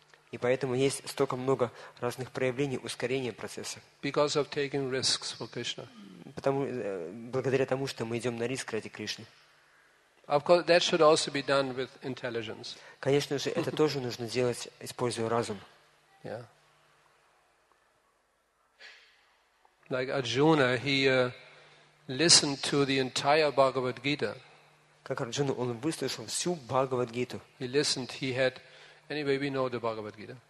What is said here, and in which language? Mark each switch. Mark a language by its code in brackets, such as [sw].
[ru] И поэтому есть столько много разных проявлений ускорения процесса. [en] Because of taking risks for Krishna. [ru] Благодаря тому, что мы идем на риск ради Кришны. [en] Of course, that should also be done with intelligence. [ru] Конечно же, это тоже нужно делать, используя разум. [en] Yeah. Like Arjuna, he listened to the entire Bhagavad Gita. [ru] Как Арджуна, он выслушал всю Бхагавад-гиту. [en] He listened, he had... Anyway, we know the Bhagavad-gita.